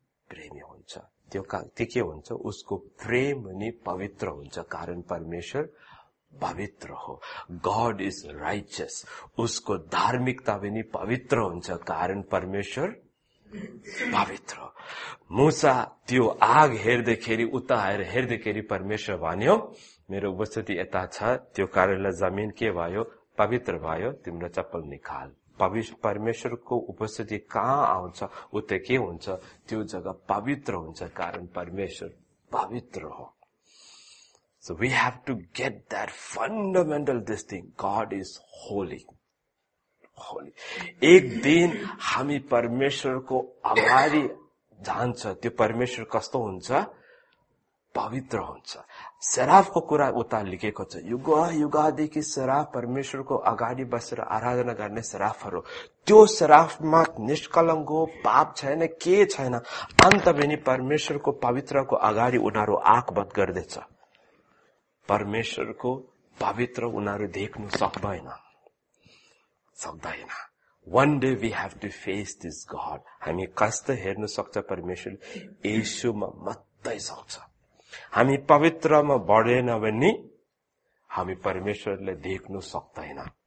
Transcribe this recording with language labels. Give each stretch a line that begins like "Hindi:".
Nepali: प्रेमी हुन्छ, त्यो के हुन्छ उसको प्रेम नि पवित्र हुन्छ, कारण परमेश्वर पवित्र हो,
English: God is righteous,
Nepali: उसको धार्मिकता पनि पवित्र हुन्छ, कारण परमेश्वर पवित्र हो, मुसा त्यो आग हेर्दाखेरि उता आएर हेर्दाखेरि परमेश्वर भन्यो मेरो उपस्थिति यता छ, त्यो कार्यालय जमिन के भयो, पवित्र भयो, तिम्रो चप्पल निकाल। परमेश्वरको उपस्थिति कहाँ आउँछ, उतै के हुन्छ, त्यो जग्गा पवित्र हुन्छ, कारण परमेश्वर पवित्र हो।
English: So we have to get that fundamental this thing. God is holy. Holy.
Nepali: एक दिन हामी परमेश्वरको अगाडि जान्छ, त्यो परमेश्वर कस्तो हुन्छ, पवित्र हुन्छ। सराफको कुरा उता लिखेको छ, युग युगदेखि सराफ परमेश्वरको अगाडि बसेर आराधना गर्ने सराफहरू, त्यो सराफमा निष्कलङ्क हो, पाप छैन, के छैन, अन्त पनि परमेश्वरको पवित्रको अगाडि उनीहरू आँख बन्द गर्दछ, परमेश्वरको पवित्र उनीहरू देख्नु सक्दैन, सक्दैन।
English: One day we have to face this God.
Nepali: हामी कस्तो हेर्न सक्छ परमेश्वर, येशूमा मात्रै सक्छ। हामी पवित्रमा बढेन भने हामी परमेश्वरले देख्नु सक्दैन।